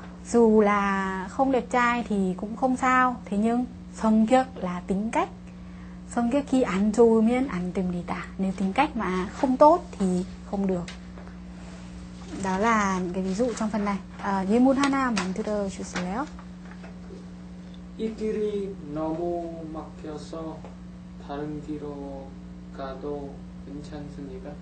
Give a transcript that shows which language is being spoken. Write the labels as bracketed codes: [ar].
[vi] Dù là không đẹp trai thì cũng không sao, thế nhưng 성격 là tính cách. [ko] 성격이 안 좋으면 안 됩니다. [vi] Nếu tính cách mà không tốt thì không được. Đó là cái ví dụ trong phần này. [ko] 예문 하나 만들어 주실래요? 이 길이 너무 막혀서 다른 길로 가도 괜찮습니까?